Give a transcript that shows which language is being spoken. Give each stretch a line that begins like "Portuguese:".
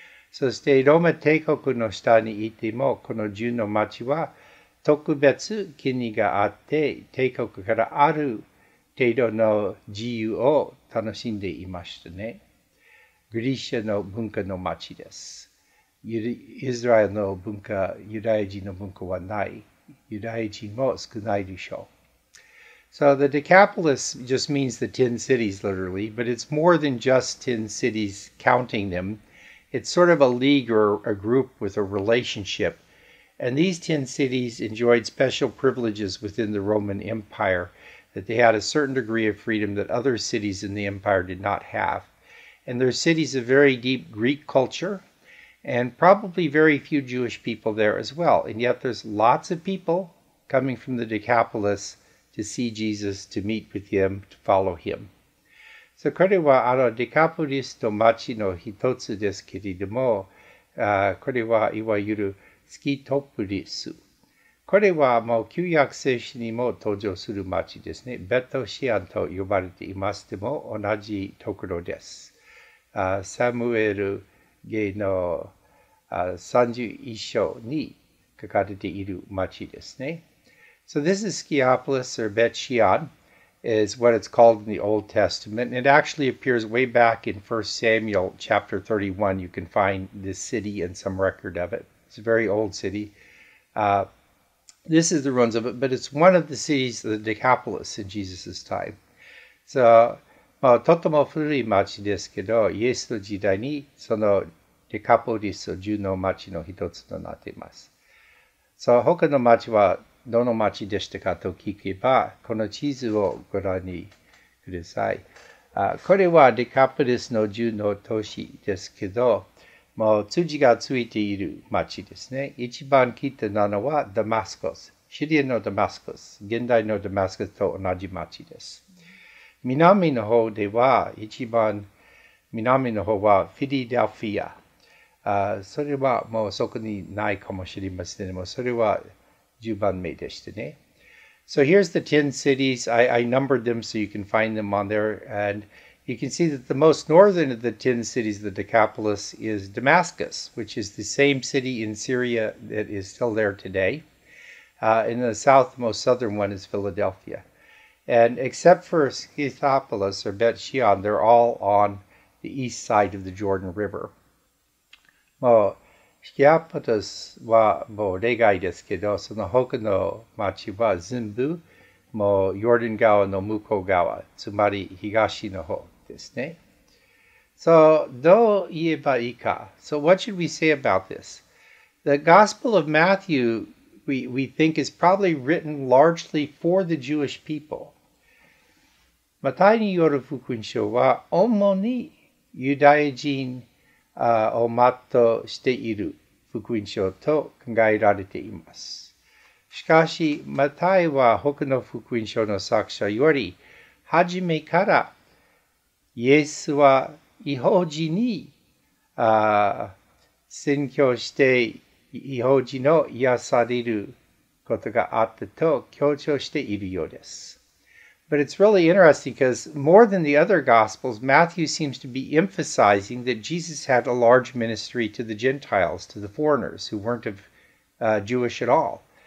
Japanese: そしてローマ帝国の下にいても、この十の町は特別権利があって、帝国からある程度の自由を楽しんでいましたね。ギリシャの文化の町です。イスラエルの文化、ユダヤ人の文化はない。ユダヤ人も少ないでしょう。
English: So the Decapolis just means the 10 cities literally, but it's more than just 10 cities counting them. It's sort of a league or a group with a relationship. And these 10 cities enjoyed special privileges within the Roman Empire, that they had a certain degree of freedom that other cities in the empire did not have. And their cities are very deep Greek culture,and probably very few Jewish people there as well. And yet there's lots of people coming from the Decapolis to see Jesus, to meet with him, to follow him. So,
Japanese: これはあのデカポリスの町の一つですけれども、これはいわゆるスキトプリス。これはもう旧約聖書にも登場する町ですね。ベトシアンと呼ばれていますでも同じところです。サムエル芸の31章に書かれている町ですね。
English: So this is Scopolis or Bet-Shean is what it's called in the Old Testament. It actually appears way back in 1 Samuel chapter 31. You can find this city and some record of it. It's a very old city. This is the ruins of it, but it's one of the cities of the Decapolis in Jesus' time. So...
Japanese: まあ、とても古い町ですけど、イエスの時代にそのデカポリス、十の町の一つとなっています。
English: So,
Japanese: 他の町はどの町でしたかと聞けば、この地図をご覧にください。これはデカポリスの十の都市ですけど、もう辻がついている町ですね。一番北なのはダマスコス、シリアのダマスコス、現代のダマスコスと同じ町です。南の方では一番南の方はフィリデルフィア。それはもうそこにないかもしれませんけども、それは10番目でしたね。
English: So here's the 10 cities. I numbered them so you can find them on there. And you can see that the most northern of the 10 cities, the Decapolis, is Damascus, which is the same city in Syria that is still there today. In the south, the most southern one is Philadelphia. And except for Scythopolis or Bet-Shean, they're all on the east side of the Jordan River.
Japanese: もう、Scythopolis はもう例外ですけど、その他の町は全部、もう、Jordan 川の向こう側、つまり東の方ですね。
English: So,
Japanese: どう言えばいいか?
English: So, what should we say about this? The Gospel of Matthew... We think is probably written largely for the Jewish people.
Japanese: マタイによる福音書は主にユダヤ人をまとしている福音書と考えられています。しかし、マタイは他の福音書の作者より初めからイエスは異邦人に宣教して異邦人の癒されることがあったと強調しているようです。
English: But it's really interesting because more than the other Gospels, Matthew seems to be emphasizing that Jesus had a large ministry to the Gentiles, to the foreigners who weren't of Jewish at all.